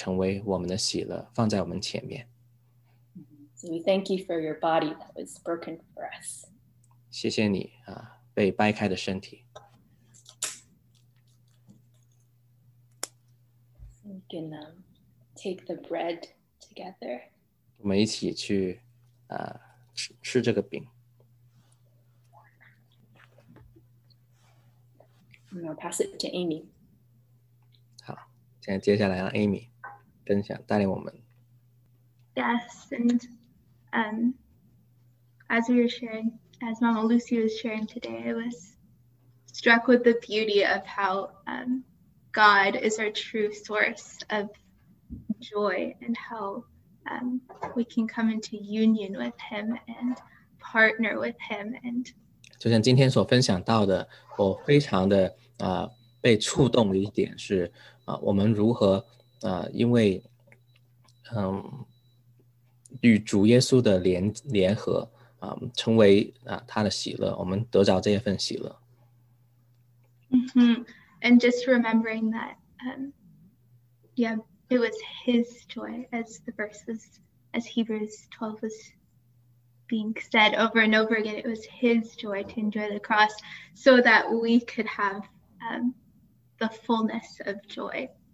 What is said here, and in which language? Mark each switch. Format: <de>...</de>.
<zh>所以现在我们也把你成为我们的喜乐放在我们前面。</zh> <en>So we thank you for your body that was broken for us.</en> <zh>谢谢你, 被掰开的身体。</zh> <en>We can take the bread together.</en> <zh>我们一起去, 吃这个饼。</zh> <en>And I'll pass it to Amy.</en> <zh>好, 现在接下来让Amy分享, 带领我们。</zh> <en>Yes, and as we were sharing, as Mama Lucy was sharing today, I was struck with the beauty of how God is our true source of joy and how we can come into union with him and partner with him. And</en> <zh>就像今天所分享到的, 我非常的, 被触动的一点是, 我们如何, 因为, 与主耶稣的联合, 成为, 他的喜乐, 我们得着这份喜乐。 Mm-hmm.</zh> <en>And just remembering that, yeah, it was his joy, as the verses, as Hebrews 12 was being said over and over again, it was his joy to endure the cross so that we could have the fullness of joy.</en>